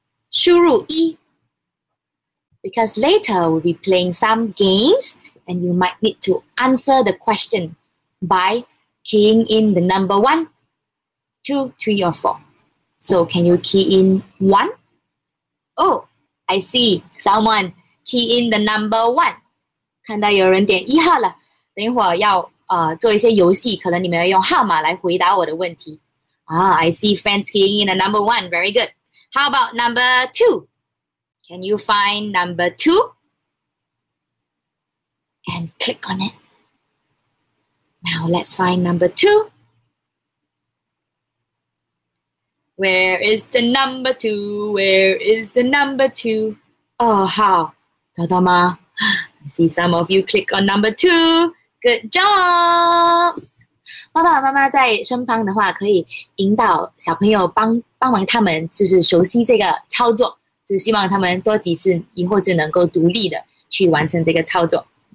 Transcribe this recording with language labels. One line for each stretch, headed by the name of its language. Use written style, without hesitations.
Chinese: 输入一
English: Because later we'll be playing some games and you might need to answer the question by... Keying in the number 1, 2, 3, or 4. So can you key in 1? Oh, I see someone key in the number 1.
Chinese: 看到有人点1号了。等一会儿要做一些游戏，可能你们要用号码来回答我的问题。
English: Ah, I see friends keying in the number 1. Very good. How about number 2? Can you find number 2? And click on it. Now let's find number two. Where is the number two? Where is the number two? Oh, how?
Chinese: 找到吗?
English: I see some of you click on number two. Good job!
Chinese: 爸爸妈妈在身旁的话可以引导小朋友帮忙他们就是熟悉这个操作。只希望他们多几次以后就能够独立的去完成这个操作。